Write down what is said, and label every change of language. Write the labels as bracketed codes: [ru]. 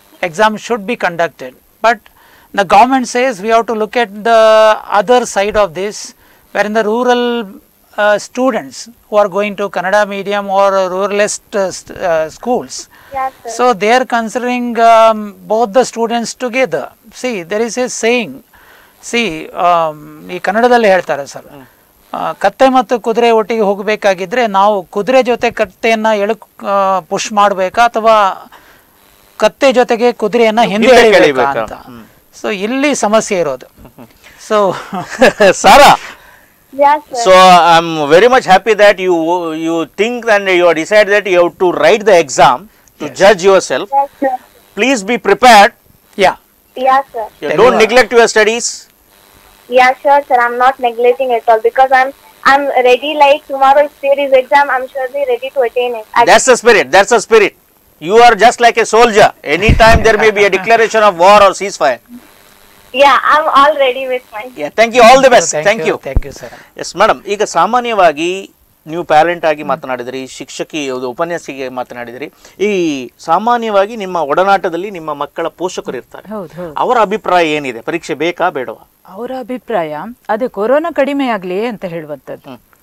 [en] Exams should be conducted. But the government says we have to look at the other side of this, wherein the rural students who are going to Kannada medium or ruralist schools. Yes, so they are considering both the students together. See, there is a saying. [kn] Sea ಈ ಕನ್ನಡದಲ್ಲಿ ಹೇಳ್ತಾರೆ sir ಕತ್ತೆ ಮತ್ತು ಕುದುರೆ ಒಟ್ಟಿಗೆ ಹೋಗಬೇಕಾಗಿದ್ರೆ ನಾವು ಕುದುರೆ ಜೊತೆ ಕತ್ತೆಯನ್ನು ಎಳು ಪುಷ್ ಮಾಡಬೇಕಾ ಅಥವಾ ಕತ್ತೆ ಜೊತೆಗೆ ಕುದುರೆಯನ್ನು ಹಿಂದೆ ಎಳಿಬೇಕಾ ಅಂತ ಸೊ ಇಲ್ಲಿ ಸಮಸ್ಯೆ ಇರೋದು so [en] Sir so I am very much happy that you you think and you decide that you have to write the exam to judge yourself please be prepared yeah Yes, sir. Yeah, don't neglect your studies. Yeah, sure, sir. I'm not neglecting at all because I'm ready. Like tomorrow, if there is exam, I'm surely ready to attain it. That's the spirit. That's the spirit. You are just like a soldier. Anytime there may be a declaration of war or ceasefire. Yeah, thank you. All the best. Thank you. Thank you, sir. Yes, madam. [kn] ಈಗ ಸಾಮಾನ್ಯವಾಗಿ ನೀವು parent ಆಗಿ ಮಾತನಾಡಿದ್ರಿ ಶಿಕ್ಷಕಿ ಉಪನ್ಯಾಸಿಗೆ ಮಾತನಾಡಿದ್ರಿ ಈ ಸಾಮಾನ್ಯವಾಗಿ ನಿಮ್ಮ ಒಡನಾಟದಲ್ಲಿ ನಿಮ್ಮ ಮಕ್ಕಳ ಪೋಷಕರು ಇರ್ತಾರೆ ಅವರ ಅಭಿಪ್ರಾಯ ಏನಿದೆ ಪರೀಕ್ಷೆ ಬೇಕಾ ಬೇಡವ ಅವರ ಅಭಿಪ್ರಾಯ ಅದೇ ಕೊರೋನಾ ಕಡಿಮೆ ಆಗಲಿ ಅಂತ ಹೇಳುವಂತದ್ದು